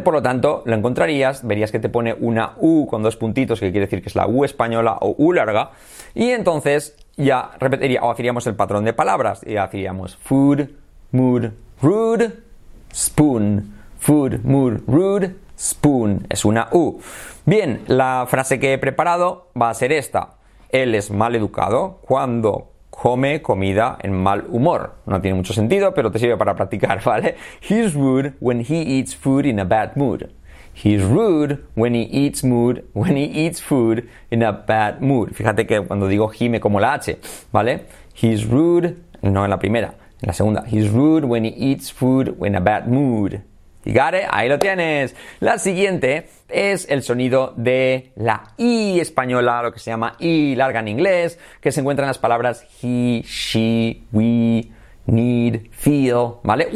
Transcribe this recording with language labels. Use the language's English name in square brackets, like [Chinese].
[Spanish] Por lo tanto, lo encontrarías, verías que te pone una U con dos puntitos, que quiere decir que es la U española o U larga, y entonces ya repetiría o haríamos el patrón de palabras y haríamos [English] food, mood, rude, spoon. Food, mood, rude, spoon. [Spanish] Es una U. Bien, la frase que he preparado va a ser esta. Él es mal educado cuando come comida en mal humor. No tiene mucho sentido, pero te sirve para practicar, ¿vale? [English] He's rude when he eats food in a bad mood. He's rude when he eats mood, when he eats food in a bad mood. [Spanish] Fíjate que cuando digo he me como la H, ¿vale? [English] He's rude, [Spanish] no en la primera. La segunda, [English] he's rude when he eats food in a bad mood. You got it? [Spanish] Ahí lo tienes. La siguiente es el sonido de la I española, lo que se llama I larga en inglés, que se encuentra en las palabras he, she, we, need, feel, ¿vale?